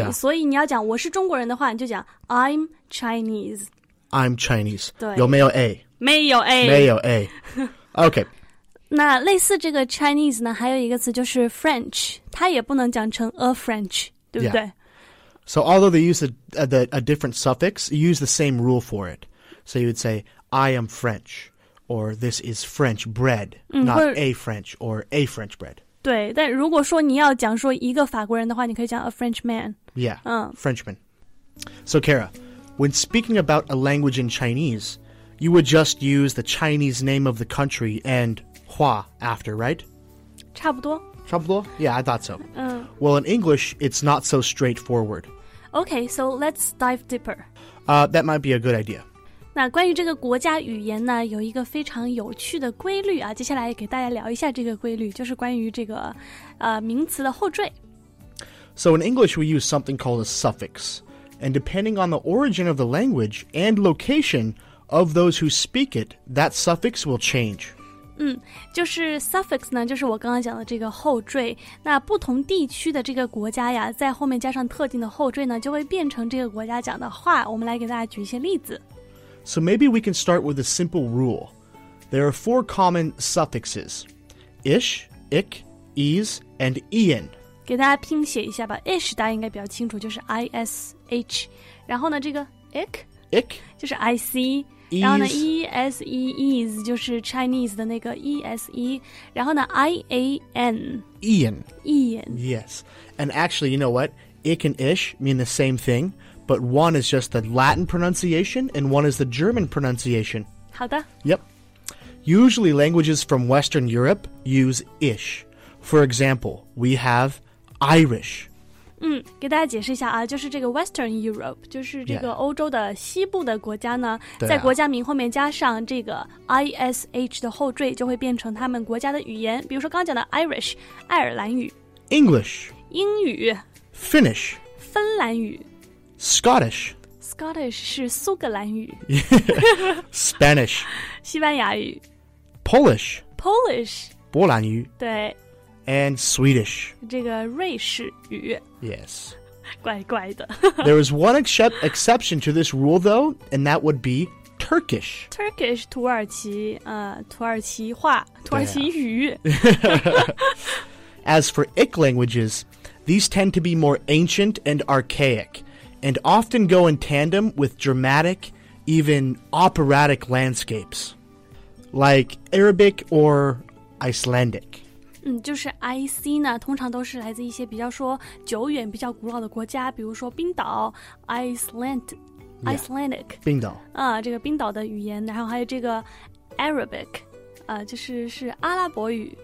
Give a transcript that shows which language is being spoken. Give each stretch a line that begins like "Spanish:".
English: yeah.
Chinese: 所以你要讲我是中国人的话，你就讲
English: I'm Chinese. I'm Chinese.
Chinese: 对，有没有 A? 没有 A. 没有 A. Okay. 那类似这个 Chinese 呢，还有一个词就是 French， 它也不能讲成
English: a French，
Chinese: 对不对、
English: yeah. ？So although they use a different suffix, you use the same rule for it. So you would say I am French, or this is French bread,、嗯、 not a French or a French bread.
Chinese: 对，但如果说你要讲说一个法国人的话，你可以讲
English: a Frenchman. Yeah,、嗯、 Frenchman. So, Kara, when speaking about a language in Chinese, you would just use the Chinese name of the country and 话 after, right?
Chinese: 差不多。差不多?
English: Yeah, I thought so.、嗯、 well, in English, it's not so straightforward. Okay, so let's dive deeper.、 That might be a good idea.
Chinese: 那关于这个国家语言呢有一个非常有趣的规律啊接下来给大家聊一下这个规律就是关于这个名词的后缀
English: So in English we use something called a suffix and depending on the origin of the language and location of those who speak it that suffix will change
Chinese: 嗯就是 suffix 呢就是我刚刚讲的这个后缀那不同地区的这个国家呀在后面加上特定的后缀呢就会变成这个国家讲的话我们来给大家举一些例子
English: So maybe we can start with a simple rule. There are four common suffixes. Ish, ik, ease, and ian.
Chinese: 给大家拼写一下吧。 Ish 大家应该比较清楚就是 ish. 然后呢这个 ik?
English: Ik?
Chinese: 就是 ic. 然后呢 ese, ease 就是 Chinese 的那个 ese. 然后呢 ian.
English: Ian. Ian. Yes. And actually, you know what? Ik and ish mean the same thing. But one is just the Latin pronunciation and one is the German pronunciation.
Chinese: 好的。
English: Yep. Usually languages from Western Europe use ish. For example, we have Irish.
Chinese: 嗯，给大家解释一下啊，就是这个 Western Europe, 就是这个欧洲的西部的国家呢、
English: yeah.
Chinese: 在国家名后面加上这个 ish 的后缀就会变成他们国家的语言。比如说刚刚讲的 Irish, 爱尔兰语。
English: English.
Chinese: 英语。
English: Finnish.
Chinese: 芬兰语。
English: Scottish.
Chinese: Scottish 是苏格兰语。
English: Spanish.
Chinese: 西班牙语。
English: Polish. Polish.
Chinese: 波兰语。对。
English: And Swedish.
Chinese: 这个瑞士语。
English: Yes.
Chinese: 怪怪的。
English: There is one exception to this rule, though, and that would be Turkish.
Chinese: Turkish, 土耳其、土耳其话、土耳其语。
English: As for ik languages, these tend to be more ancient and archaic. And often go in tandem with dramatic, even operatic landscapes, like Arabic or Icelandic.
Chinese: 嗯，就是 IC 呢，通常都是来自一些比较说久远、比较古老的国家，比如说冰岛 ，Icelandic，冰岛。啊，这个冰岛的语言，然后还有这个 Arabic， 啊，就是是阿拉伯语。